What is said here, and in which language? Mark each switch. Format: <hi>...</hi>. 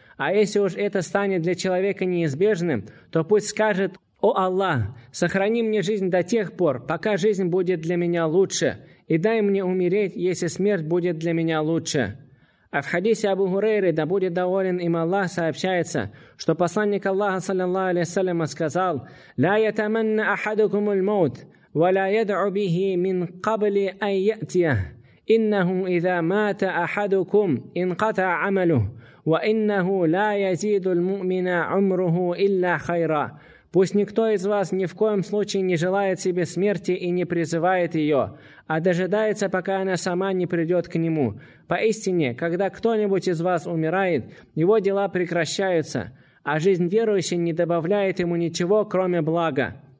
<ru>А если уж это станет для человека неизбежным, то пусть скажет: «О Аллах, сохрани мне жизнь до тех пор, пока жизнь будет для меня лучше, и дай мне умереть, если смерть будет для меня лучше». А в хадисе Абу Хурейры, да будет доволен им Аллах, сообщается, что посланник Аллаха, саллиллаху алейхи салям, сказал:</ru> <ar>«Ла ятаманна ахадукумул маут». ولا يدع به من قبل أن يأتيه إنه إذا مات أحدكم انقطع عمله وإنه لا يزيد المؤمن عمره إلا خيرا.</ar> <ru>Пусть никто из вас ни в коем случае не желает себе смерти и не призывает ее, а дожидается, пока она сама не придет к нему. Поистине, когда кто-нибудь из вас умирает, его дела прекращаются, а жизнь верующей не добавляет ему ничего, кроме блага.</ru>